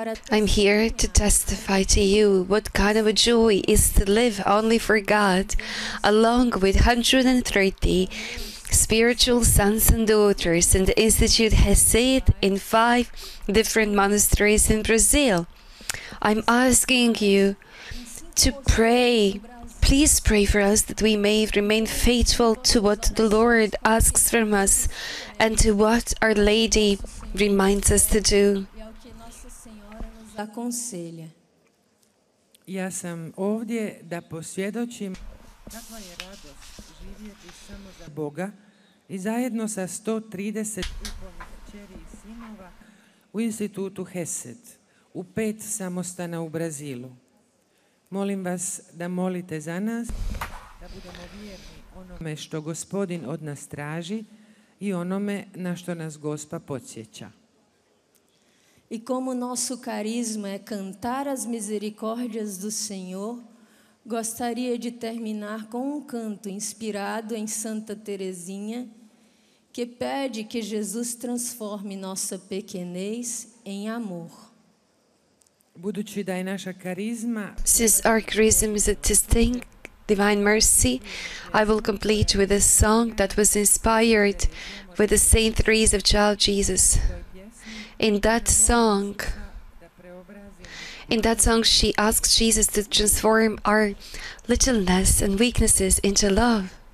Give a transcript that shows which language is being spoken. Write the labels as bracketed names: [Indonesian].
[English] I'm here to testify to you what kind of a joy is to live only for God, along with 130 spiritual sons and daughters in the Institute Hesed in 5 different monasteries in Brazil. I'm asking you to pray. Please pray for us that we may remain faithful to what the Lord asks from us and to what Our Lady reminds us to do. [Portuguese] Aconselha. [Croatian] Ja sam ovdje da posvjedočim kakva je radost živjeti samo za Boga i zajedno sa 130 duhovnih kćeri i sinova u Institutu Hesed u 5 samostana u Brazilu. Molim vas da molite za nas, da budemo vjerni onome što Gospodin od nas traži i onome na što nas Gospa podsjeća. [Portuguese] E como nosso carisma é cantar as misericórdias do Senhor, gostaria de terminar com canto inspirado em Santa Teresinha, que pede que Jesus transforme nossa pequenez em amor. [Croatian] Budući da je naša karizma... [English] Since our charism is a distinct divine mercy, I will complete with a song that was inspired with the Saint Therese of Child Jesus. In that song, she asks Jesus to transform our littleness and weaknesses into love.